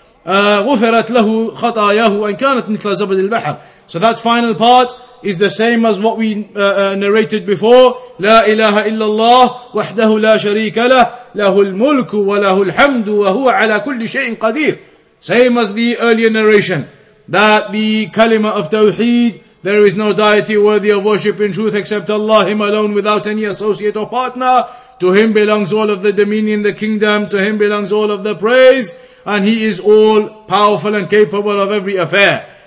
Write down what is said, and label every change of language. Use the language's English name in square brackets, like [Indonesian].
[Arabic] غفرت له خطاياه وإن كانت مثل زبد البحر. [English] So that final part is the same as what we narrated before. [Arabic] لا إله إلا الله وحده لا شريك له له الملك وله الحمد وهو على كل شيء قدير. [English] Same as the earlier narration, that the kalima of tawheed, there is no deity worthy of worship in truth except Allah, Him alone without any associate or partner. To Him belongs all of the dominion, the kingdom. To Him belongs all of the praise. And He is all powerful and capable of every affair.